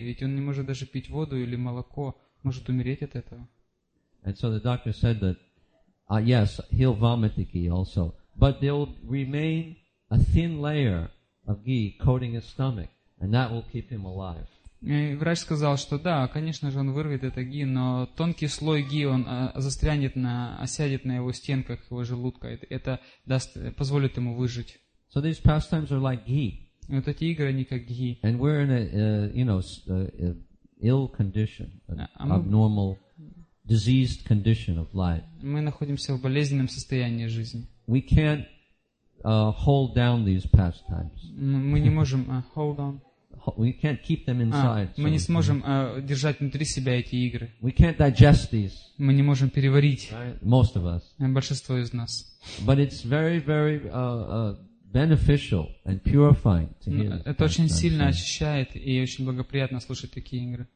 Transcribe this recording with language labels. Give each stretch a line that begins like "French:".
Russian: Ведь он не может даже пить воду или молоко. Может умереть от этого.
English: And so the doctor said that, yes, he'll vomit the ghee also, but there'll remain a thin layer of ghee coating his stomach, and that will keep him alive.
Russian: Врач сказал, что да, конечно же, он вырвет это ги, но тонкий слой ги, он осядет на его стенках, его желудка. Это позволит ему выжить.
English: So these pastimes are like ghee.
Russian: Вот эти игры, они как ги.
English: And we're in a, ill condition, an abnormal, diseased condition of life.
Russian: Мы находимся в болезненном состоянии жизни.
English: We can't hold down these pastimes.
Russian: Мы не можем
English: hold on. We can't keep them inside.
Russian: Мы не сможем держать внутри себя эти игры.
English: We can't digest these.
Russian: Мы не можем переварить.
English: Right? Most of us.
Russian: Большинство из нас.
English: But it's very, very beneficial and purifying to hear.
Russian: Это очень сильно очищает и очень благоприятно слушать такие игры.